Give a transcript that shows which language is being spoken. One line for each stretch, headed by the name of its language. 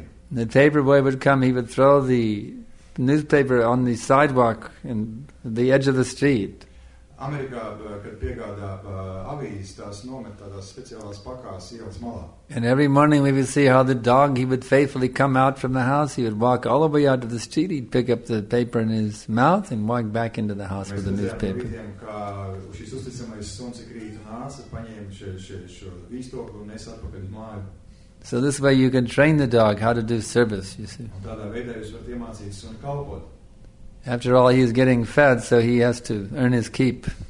English: The paper boy would come, he would throw the newspaper on the sidewalk in the edge of the street.
Latvian: Amerikā, kad piegādā avīzes, tās nomet tādās speciālās pakās ielas malā.
English: And every morning we would see how the dog, he would faithfully come out from the house, he would walk all the way out to the street, he'd pick up the paper in his mouth and walk back into the house with the newspaper.
Latvian: Mēs redzējām, kā šis uzticamais suns ik rītu nāca, paņēma šo vīstoklu un nesa atpakaļ uz māju.
English: So this way you can train the dog how to do service, you see.
Latvian: Un tādā veidā jūs varat iemācīt suni kalpot.
English: After all, he is getting fed, so he has to earn his keep.